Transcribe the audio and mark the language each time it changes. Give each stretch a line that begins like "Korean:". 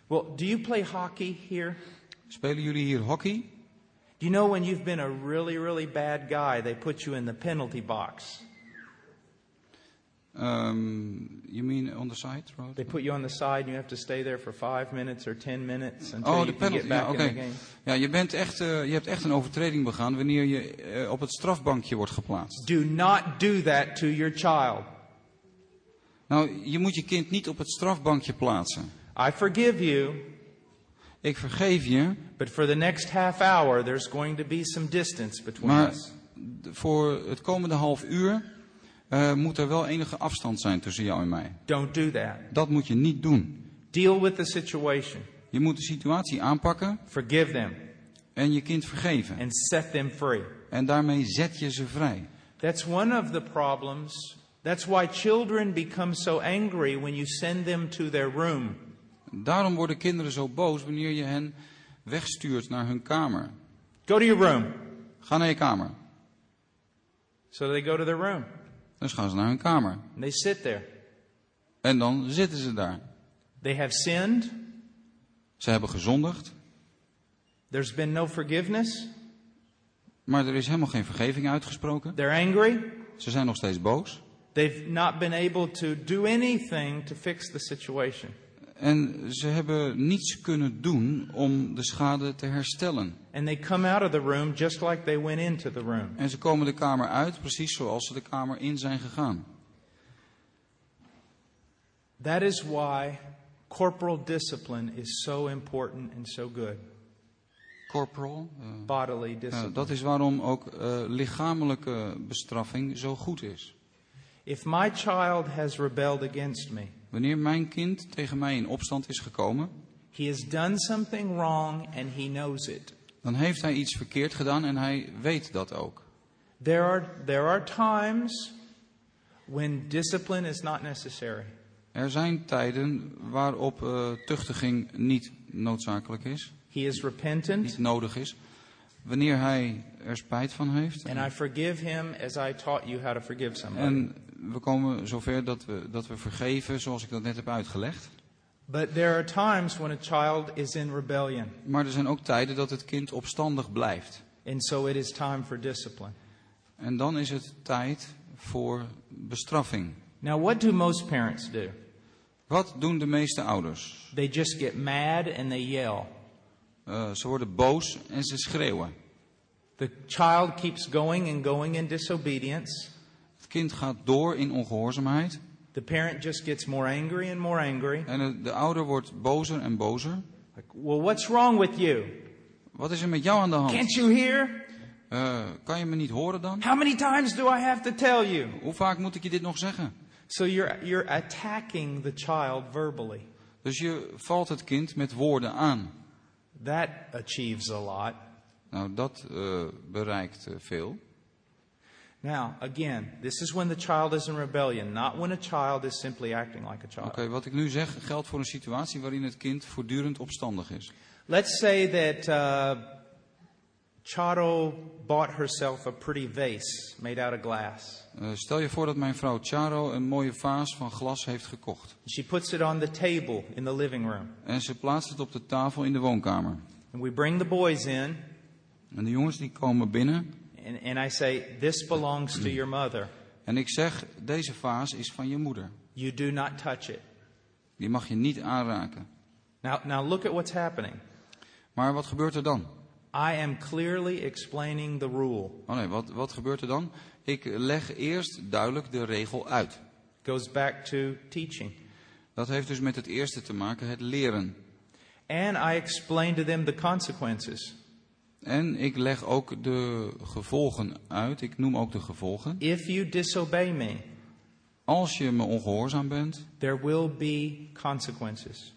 English: Well, do you play hockey here?
Dutch: Spelen jullie hier hockey?
English: Do you know when you've been a really, really bad guy, they put you in the penalty box? You mean on the side? Right? They put you on the side and you have to stay there for 5 minutes or 10 minutes until you can get back okay. In the game.
Dutch: Ja, je hebt echt een overtreding begaan wanneer je op het strafbankje wordt geplaatst.
English: Do not do that to your child.
Dutch: Nou, je moet je kind niet op het strafbankje plaatsen.
English: I forgive you.
Dutch: Ik vergeef je.
English: But for the next half hour there's going to be some distance between
Dutch: maar
English: us.
Dutch: Voor het komende half uur moet er wel enige afstand zijn tussen jou en mij.
English: Don't do that.
Dutch: Dat moet je niet doen.
English: Deal with the situation.
Dutch: Je moet de situatie aanpakken.
English: Forgive them.
Dutch: En je kind vergeven.
English: And set them free.
Dutch: En daarmee zet je ze vrij.
English: That's one of the problems. That's why children become so angry when you send them to their room.
Dutch: Daarom worden kinderen zo boos wanneer je hen wegstuurt naar hun kamer.
English: Go to your room.
Dutch: Ga naar je kamer.
English: So they go to their room.
Dutch: Dus gaan ze naar hun kamer.
English: And they sit there.
Dutch: En dan zitten ze daar.
English: They have sinned.
Dutch: Ze hebben gezondigd.
English: There's been no forgiveness.
Dutch: Maar er is helemaal geen vergeving uitgesproken.
English: They're angry.
Dutch: Ze zijn nog steeds boos.
English: They've not been able to do anything to fix the situation.
Dutch: En ze hebben niets kunnen doen om de schade te herstellen.
English: And they come out of the room just like they went into the room.
Dutch: En ze komen de kamer uit precies zoals ze de kamer in zijn gegaan.
English: That is why corporal discipline is so important and so good. Corporal, bodily discipline.
Dutch: Dat is waarom ook lichamelijke bestraffing zo goed is.
English: If my child has rebelled against me,
Dutch: wanneer mijn kind tegen mij in opstand is gekomen,
English: he has done something wrong and he knows it.
Dutch: Dan heeft hij iets verkeerd gedaan en hij weet dat ook.
English: There are times when discipline is not necessary.
Dutch: Er zijn tijden waarop tuchtiging niet noodzakelijk is.
English: He is repentant.
Dutch: Niet nodig is. Wanneer hij er spijt van heeft.
English: And I forgive him as I taught you how to forgive somebody.
Dutch: En we komen zover dat we vergeven zoals ik dat net heb uitgelegd.
English: But there are times when a child is in rebellion.
Dutch: Maar er zijn ook tijden dat het kind opstandig blijft.
English: And so it is time for discipline.
Dutch: En dan is het tijd voor bestraffing.
English: Now what do most parents do?
Dutch: Wat doen de meeste ouders?
English: They just get mad and they yell.
Dutch: Ze worden boos en ze schreeuwen.
English: The child keeps going and going in disobedience.
Dutch: Het kind gaat door in ongehoorzaamheid.
English: The parent just gets more angry and more angry.
Dutch: En de ouder wordt bozer en bozer.
English: Like, well, what's wrong with you?
Dutch: Wat is er met jou aan de hand?
English: Can't you hear?
Dutch: Kan je me niet horen dan?
English: How many times do I have to tell you?
Dutch: Hoe vaak moet ik je dit nog zeggen?
English: So you're attacking the child verbally.
Dutch: Dus je valt het kind met woorden aan.
English: That achieves a lot.
Dutch: Nou, dat bereikt veel.
English: Now, again, this is when the child is in rebellion, not when a child is simply acting like a child.
Dutch: Oké, wat ik nu zeg geldt voor een situatie waarin het kind voortdurend opstandig is.
English: Let's say that Charo bought herself a pretty vase made out of glass.
Dutch: Stel je voor dat mijn vrouw Charo een mooie vaas van glas heeft gekocht.
English: She puts it on the table in the living room.
Dutch: En ze plaatst het op de tafel in de woonkamer.
English: And we bring the boys in.
Dutch: En de jongens die komen binnen.
English: And I say, this belongs to your mother.
Dutch: En ik zeg, deze vaas is van je moeder.
English: You do not touch it.
Dutch: Die mag je niet aanraken.
English: Now look at what's happening.
Dutch: Maar wat gebeurt er dan?
English: I am clearly explaining the rule.
Dutch: Oh nee, wat gebeurt er dan? Ik leg eerst duidelijk de regel uit.
English: Goes back to teaching.
Dutch: Dat heeft dus met het eerste te maken, het leren.
English: And I explain to them the consequences.
Dutch: En ik leg ook de gevolgen uit. Ik noem ook de gevolgen.
English: If you disobey me,
Dutch: als je me ongehoorzaam bent,
English: there will be consequences.